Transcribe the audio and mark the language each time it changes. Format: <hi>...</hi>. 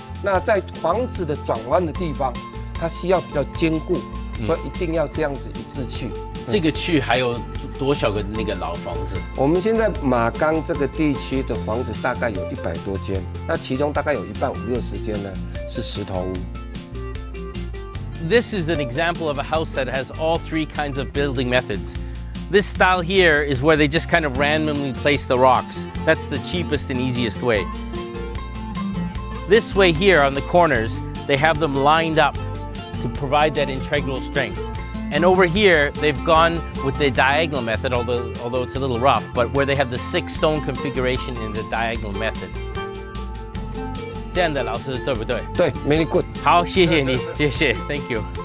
<zh>那在房子的转弯的地方，它需要比较坚固，所以一定要这样子一字砌。这个区还有多少个那个老房子？我们现在马岗这个地区的房子大概有100多间，那其中大概有一半50-60间呢是石头屋。</zh> <en>This is an example of a house that has all three kinds of building methods. This style here is where they just kind of randomly place the rocks. That's the cheapest and easiest way. This way here on the corners, they have them lined up to provide that integral strength. And over here, they've gone with the diagonal method, although it's a little rough, but where they have the 6-stone configuration in the diagonal method.</en> <zh>这样的老师对不对？</zh> <en>对 ，very good.</en> <zh>好，谢谢你，谢谢 ，</zh> <en>thank you.</en>